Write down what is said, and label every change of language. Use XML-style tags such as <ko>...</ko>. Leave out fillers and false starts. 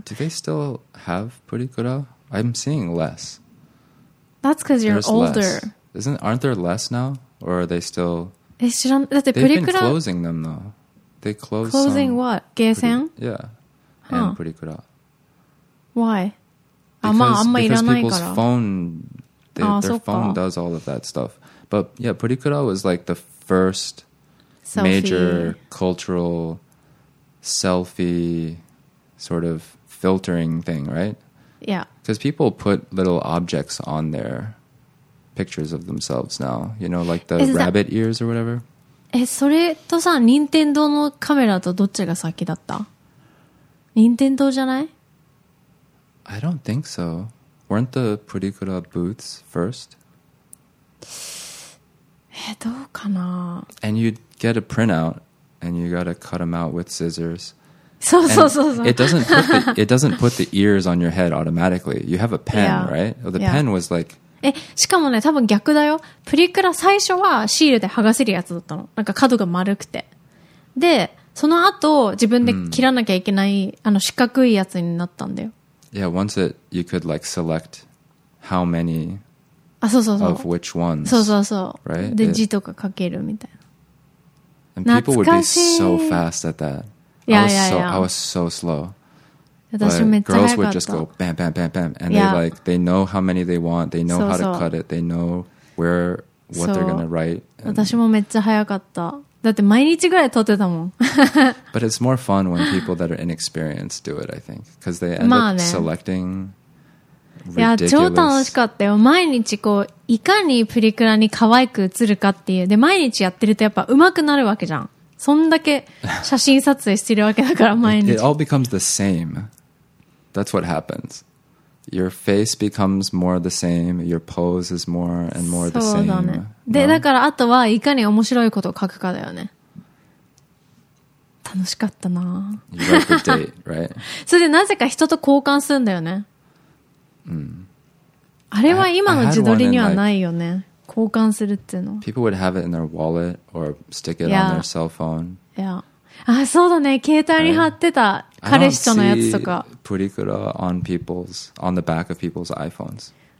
<en>Do they still have Purikura? I'm seeing less. That's because you're older. Aren't there less now? Or are they still?</en> <ja>え、知らん。だって</ja> <en>プリクラ。They've been closing them though. They closed. Closing some... what?</en> <ja>ゲーセン？</ja> <en>Yeah. And Purikura. Why? Because,</en> <ja>あ、まあ、あんまいらないから。</ja> <en>Because people's phone, their phone does all of that stuff. But yeah, Purikura was like the first major cultural selfie sort of filtering thing, right? Yeah. Because people put little objects on their pictures of themselves now. You know, like the rabbit ears or whatever.</en> <ja>え、それとさ、任天堂のカメラとどっちが先だった？任天堂じゃない？</ja> <en>I don't think so. Weren't the Purikura booths first?</en> <ja>え、どうかな？</ja> <en>And you'd get a printout and you gotta cut them out with scissors.</en> <ja>そうそうそうそう。</ja> <en>It doesn't put the ears on your head automatically. You have a pen, yeah. right? The pen was like...</en> <ja>え、しかもね、多分逆だよ。プリクラ最初はシールで剥がせるやつだったの。なんか角が丸くて。で、その後自分で切らなきゃいけない、あの四角いやつになったんだよ。</ja> <en>Yeah, once it, you could like select how many of which ones.</en> <ja>そうそうそう。</ja> <en>Right?</en> <ja>で、字とか書けるみたいな。</ja> <en>And people would be so fast at that. Yeah, I was so slow.</en> <ja>私めっちゃ速かった。</ja> <en>Girls would just go bam, bam, bam, bam. And they like, they know how many they want. They know how to cut it. They know where, what they're going to write.</en> <ja>私もめっちゃ速かった。だって毎日ぐらい撮ってたもん。</ja> <en>But it's more fun when people that are inexperienced do it, I think. Because they end up、</en> <ja>まあね、</ja> <en>selecting ridiculous...</en> <ja>いや、超楽しかったよ。毎日こう、いかにプリクラに可愛く映るかっていう。で、毎日やってるとやっぱ上手くなるわけじゃん。そんだけ写真撮影してるわけだから、毎日。</ja> <en>It all becomes the same. That's what happens. Your face becomes more the same. Your pose is more and more the same.</en> <ja>そうだね。で、だからあとはいかに面白いことを書くかだよね。楽しかったな。</ja> <en>You write the date, right?</en> <ja>それでなぜか人と交換するんだよね。うん。あれは今の自撮りにはないよね。交換するっていうの。</ja> <en>People would have it in their wallet or stick it on their cell phone. Yeah.</en> <ja>あ、そうだね。携帯に貼ってた彼氏とのやつとか。</ja> <en>Purikura on people's on the back of people's iPhones.</en>